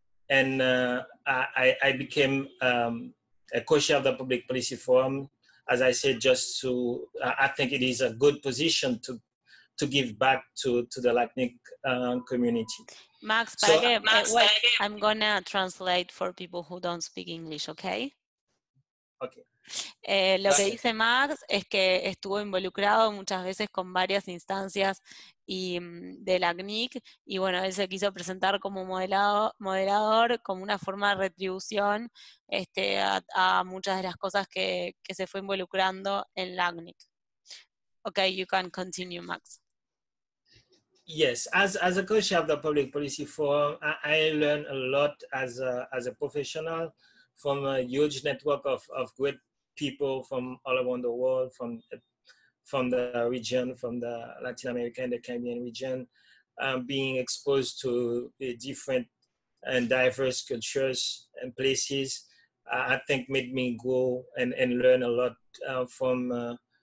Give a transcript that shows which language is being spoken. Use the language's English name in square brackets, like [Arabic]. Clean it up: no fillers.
[English] I became a co-chair of the Public Policy Forum. As I said, I think it is a good position to give back to the LACNIC community. Max, so, wait, I'm gonna translate for people who don't speak English, okay? Okay. [Spanish] Lo que dice Max es que estuvo involucrado muchas veces con varias instancias de la ACNIC, y bueno, él se quiso presentar como moderador, como una forma de retribución a muchas de las cosas que se fue involucrando en la ACNIC. [English] Okay, you can continue, Max. Yes, as a coach of the Public Policy Forum, I learned a lot as a professional, from a huge network of great people from all around the world, from the region, from the Latin America and the Caribbean region, being exposed to different and diverse cultures and places, I think made me grow and learn a lot from